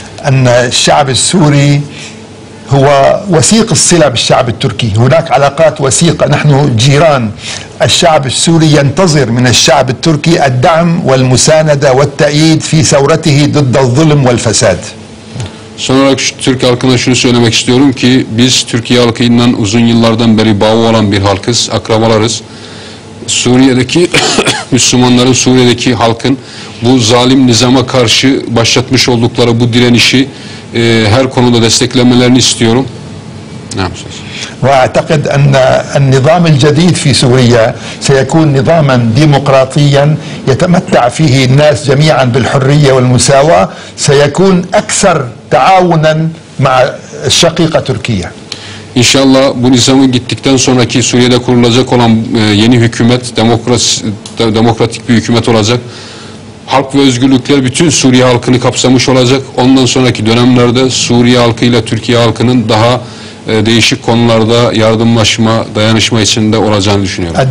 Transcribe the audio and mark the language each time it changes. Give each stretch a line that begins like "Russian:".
Arabic: أن الشعب السوري هو وثيق الصلة بالشعب التركي، هناك علاقات وثيقة، نحن جيران. الشعب السوري ينتظر من الشعب التركي الدعم والمساندة والتأييد في ثورته ضد الظلم والفساد.
Turkish: Son olarak şu Türk halkına şunu söylemek istiyorum ki biz Türkiye halkıyla uzun yıllardan beri bağı olan bir halkız, akrabalarız. Suriye'deki Müslümanların, Suriye'deki halkın bu zalim nizama karşı başlatmış oldukları bu direnişi her konuda desteklemelerini istiyorum.
Arabic: وأعتقد أن النظام الجديد في سوريا سيكون نظاما ديمقراطيا يتمتع فيه الناس جميعا بالحرية والمساواة، سيكون أكثر تعاونا مع الشقيقة تركيا.
Turkish: İnşallah bu nizamın gittikten sonraki Suriye'de kurulacak olan yeni hükümet demokratik bir hükümet olacak. Hak ve özgürlükler bütün Suriye halkını kapsamış olacak. Ondan sonraki dönemlerde Suriye halkıyla Türkiye halkının daha değişik konularda yardımlaşma, dayanışma içinde olacağını düşünüyorum.